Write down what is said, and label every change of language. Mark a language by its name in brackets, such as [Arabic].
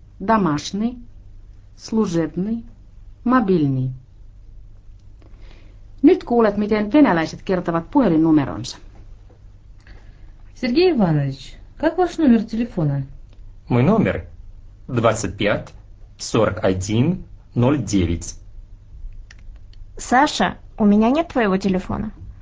[Russian] Домашний, служебный, мобильный. [Finnish] Nyt kuulet, miten venäläiset kertovat puhelinnumeronsa. [Russian] Сергей Иванович, как ваш номер телефона? Мой номер 25-41-09. Саша, у меня нет твоего телефона.